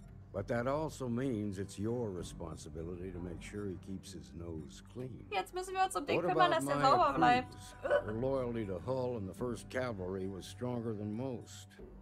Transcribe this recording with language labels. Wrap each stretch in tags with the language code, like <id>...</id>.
<en>But that also means it's your responsibility to make sure he keeps his nose clean.</en> <de>Jetzt müssen wir uns um den kümmern, dass er sauber bleibt.</de> <en>Her loyalty to Hull and the 1st Cavalry was stronger than most.</en>